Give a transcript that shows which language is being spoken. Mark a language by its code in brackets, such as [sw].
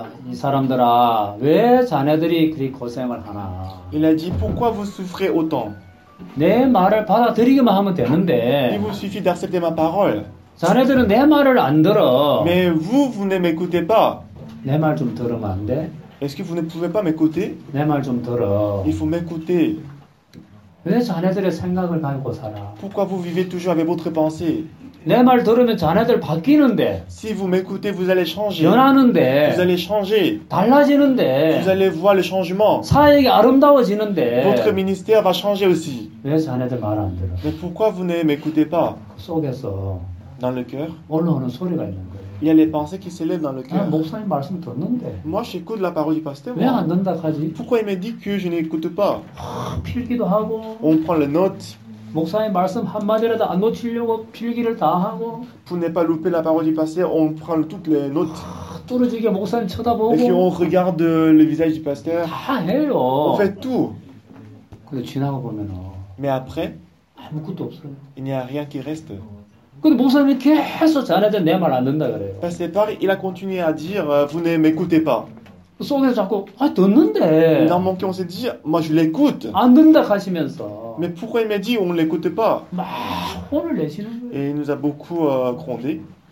[ko] 이 사람들아, 왜 자네들이 그리 고생을 하나? [fr] Il a dit pourquoi vous souffrez autant? [ko] 내 말을 받아들이기만 하면 되는데. [fr] Il vous suffit d'accepter ma parole. [ko] 자네들은 내 말을 안 들어. [fr] Mais vous ne m'écoutez pas. [ko] 내 말 좀 들으면 안 돼? [fr] Est-ce que vous ne pouvez pas m'écouter? [ko] 내 말 좀 들어. [fr] Il faut m'écouter. [ko] 왜 자네들의 생각을 가지고 살아? [fr] Pourquoi vous vivez toujours avec votre pensée? [ko] 내 말 들으면 자네들 바뀌는데. [fr] Si vous m'écoutez, vous allez changer. [ko] 변하는데. [fr] Vous allez changer. [ko] 달라지는데. [fr] Vous allez voir le changement. [ko] 사역이 아름다워지는데. [fr] Votre ministère va changer aussi. [ko] 왜 자네들 말 안 들어? [fr] Mais pourquoi vous ne m'écoutez pas? [ko] 속에서. [fr] Dans le cœur. [ko] 올라오는 소리가 있는 거예요. [fr] Il y a les pensées qui s'élèvent dans le cœur. [ko] 아, 목사님 말씀 듣는데. [fr] Moi, j'écoute la parole du pasteur. [ko] 왜 안 된다 하지? [fr] Pourquoi il me dit que je n'écoute pas? [ko] 필기도 하고. [fr] On prend les notes. [ko] 목사님 말씀 한 마디라도 안 놓치려고 필기를 다 하고. [fr] Pour ne pas louper la parole du pasteur, on prend toutes les notes. [ko] 뚫어지게 목사님 쳐다보고. [fr] Et puis on regarde le visage du pasteur. [ko] 다 해요. [fr] On fait tout. [ko] 근데 지나가 보면. [fr] Mais après. [ko] 아무것도 없어요. [fr] Il n'y a rien qui reste. [ko] 근데 목사님 계속 자네들 내 말 안 듣는다 그래요. [fr] Parce que pareil, il a continué à dire, vous ne m'écoutez pas. [ko] 속에서 자꾸 아 듣는데. [fr] Dans mon cœur, on s'est dit, moi je l'écoute. [ko] 안 듣는다 하시면서. [fr] Mais pourquoi il m'a dit on ne l'écoute pas? Et il nous a beaucoup grondé.